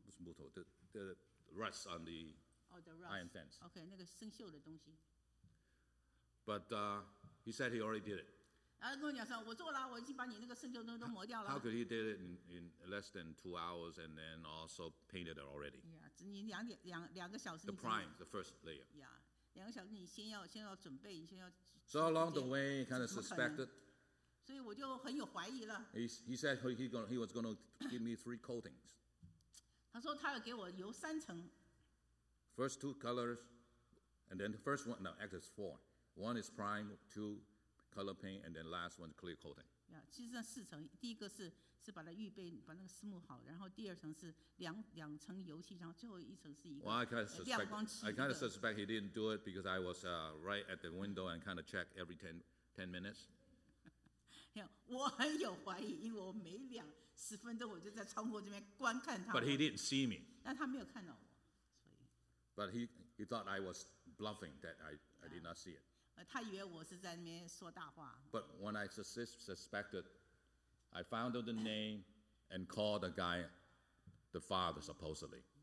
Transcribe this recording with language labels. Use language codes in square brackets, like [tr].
[en] It was metal, the rust on the iron fence. [zh] Okay, 那个生锈的东西。 [en] But he said he already did it. [zh] 然后跟我讲说，我做了，我已经把你那个生锈的东西都磨掉了。 [en] How could he do it in less than 2 hours and then also painted it already? [zh] Yeah, 你两个小时。 [en] The prime, the first layer. Yeah. [zh] 两个小时你先要准备，你先要。 [en] So along the way, he kind of suspected. [zh] 所以我就很有怀疑了。 [en] He said he was going to give me 3 coatings. [zh] 他说他要给我油三层。 [en] First 2 colors, and then the first one, no, actually it's 4. One is prime, 2 color paint, and then last one clear coating. [zh] Yeah, 其实这四层，第一个是把它预备，把那个湿木好，然后第二层是两层油漆，然后最后一层是一个亮光漆的。 [en] Well, I kind of suspect he didn't do it because I was right at the window and kind of check every 10 minutes. [zh] Yeah, 我很有怀疑，因为我每两十分钟我就在窗户这边观看他。 [en] But he didn't see me. [zh] 但他没有看到我，所以。 [en] But he thought I was bluffing that I did not see it. [zh] 他以为我是在那边说大话。 [en] But when I suspected, I found out the name and called the guy, the father supposedly.